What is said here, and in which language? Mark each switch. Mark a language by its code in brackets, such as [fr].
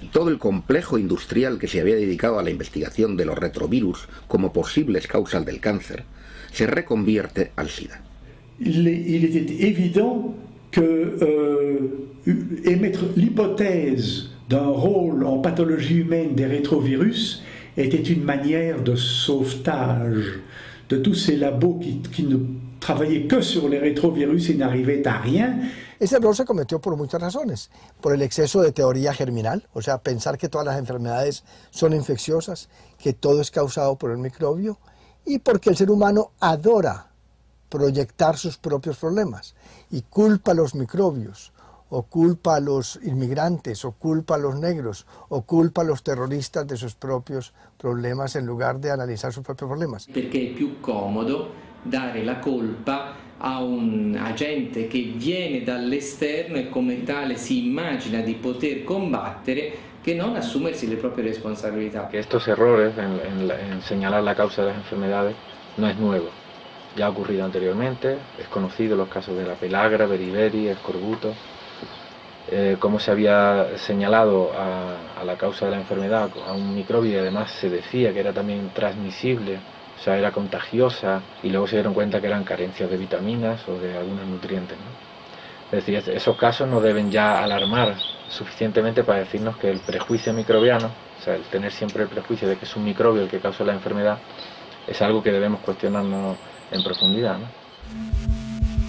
[es] Todo el complejo industrial que se había dedicado a la investigación de los retrovirus como posibles causas del cáncer se reconvierte al SIDA. [fr] Il était évident que émettre l'hypothèse d'un rôle en pathologie humaine des rétrovirus était une manière de sauvetage de tous ces labos qui ne travailler que sur les rétrovirus et n'arrivait à rien. [es] Ese error se cometió por muchas razones. Por el exceso de teoría germinal, o sea, pensar que todas las enfermedades son infecciosas, que todo es causado por el microbio, y porque el ser humano adora proyectar sus propios problemas y culpa a los microbios, o culpa a los inmigrantes, o culpa a los negros, o culpa a los terroristas de sus propios problemas en lugar de analizar sus propios problemas. Porque es más cómodo dar la culpa a un agente que viene [it] dall'esterno e come tale si immagina di poter combattere che non assumersi le proprie responsabilità. [es] Que estos errores en señalar la causa de las enfermedades no es nuevo. Ya ha ocurrido anteriormente, es conocido los casos de la pelagra, beriberi, escorbuto. Como se había señalado a la causa de la enfermedad, a un microbio, y además se decía que era también transmisible, o sea, era contagiosa, y luego se dieron cuenta que eran carencias de vitaminas o de algunos nutrientes, ¿no? Es decir, esos casos no deben ya alarmar suficientemente para decirnos que el prejuicio microbiano, o sea, el tener siempre el prejuicio de que es un microbio el que causa la enfermedad, es algo que debemos cuestionarnos en profundidad, ¿no?